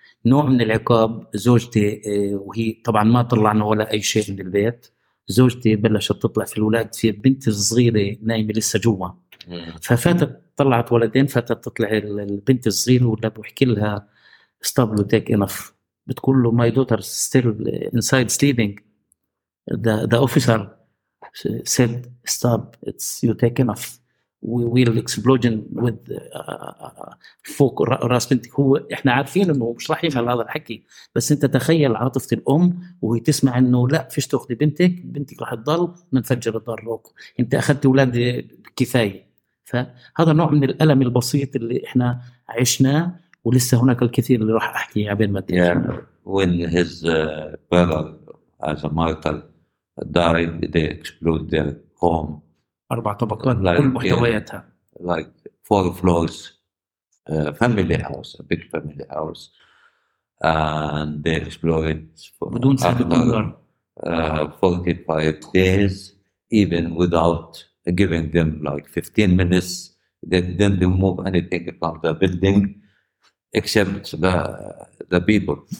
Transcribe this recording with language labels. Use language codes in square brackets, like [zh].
[ar] نوع من العقاب زوجتي، وهي طبعا ما طلعنا ولا اي شيء من البيت، زوجتي بلشت تطلع في الولاد، في بنتي الصغيره نايمه لسه جوا، ففاتت طلعت ولدين، فاتت تطلع البنت الصغيره ولا بحكي لها [en] stop and take enough، [ar] بتقول له [en] my daughter still inside sleeping. The officer said stop, it's you take enough, we will explosion with [ar] فوق راس بنتي. هو احنا عارفين انه مش راح يفهم هذا الحكي، بس انت تخيل عاطفة الام وهي تسمع انه لا فيش تاخذي بنتك، بنتك راح تضل منفجر الدار، انت اخذت اولادي كفايه. فهذا نوع من الالم البسيط اللي احنا عشناه، ولسه هناك الكثير اللي راح احكي عبين ما تجي. [en] When his brother as a martyr died, they explode their home. [ar] 4 طبقات like, كل محتوياتها. [en] Like 4 floors, family house, a big family house, and they exploded [ar] for بدون سابق انذار [en] 45 days, even without giving them like 15 minutes, they didn't remove anything from the building except the people.